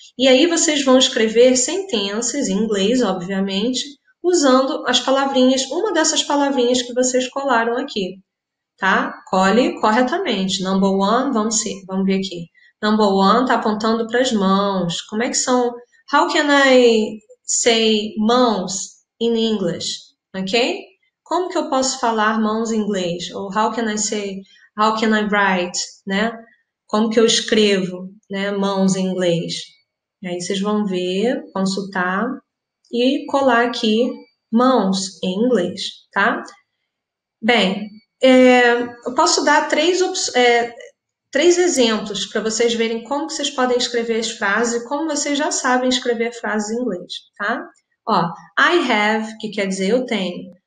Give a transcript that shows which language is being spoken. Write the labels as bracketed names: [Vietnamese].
[Portuguese] E aí vocês vão escrever sentenças em inglês, obviamente, usando as palavrinhas, uma dessas palavrinhas que vocês colaram aqui, tá? Cole corretamente. [English] Number one, [Portuguese] vamos ver aqui. [English] Number one [Portuguese] está apontando para as mãos. Como é que são? [English] How can I say mãos in English? Ok? [Portuguese] Como que eu posso falar mãos em inglês? [English] Ou how can I say, how can I write? [Portuguese] Né? Como que eu escrevo, né, mãos em inglês? E aí vocês vão ver, consultar e colar aqui mãos em inglês, tá? Bem, eu posso dar três exemplos para vocês verem como que vocês podem escrever as frases, como vocês já sabem escrever frases em inglês, tá? Ó, [English] I have, [Portuguese] que quer dizer eu tenho.